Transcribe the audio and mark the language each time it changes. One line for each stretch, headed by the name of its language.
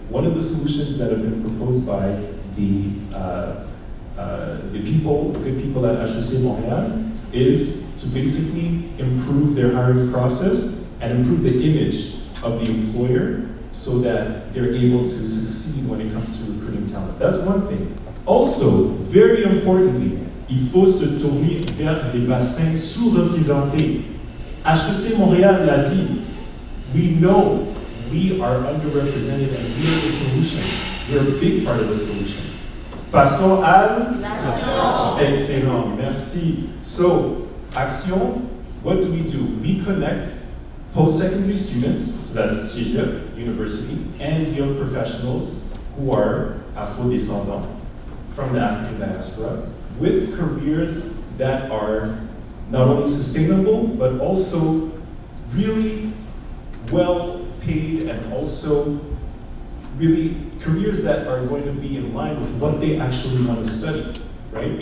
English: One of the solutions that have been proposed by the good people at HEC Montréal is to basically improve their hiring process and improve the image of the employer so that they're able to succeed when it comes to recruiting talent. That's one thing. Also, very importantly,
French: il faut se tourner vers les bassins sous-représentés.
English: HEC Montréal
French: l'a dit,
English: we know we are underrepresented and we are the solution. We're a big part of the solution.
French: Passons à l'action. Excellent, merci.
English: So, action, what do? We connect post-secondary students, so that's CIGE University, and young professionals who are Afro-descendants from the African diaspora with careers that are not only sustainable, but also really well paid and also really careers that are going to be in line with what they actually want to study, right?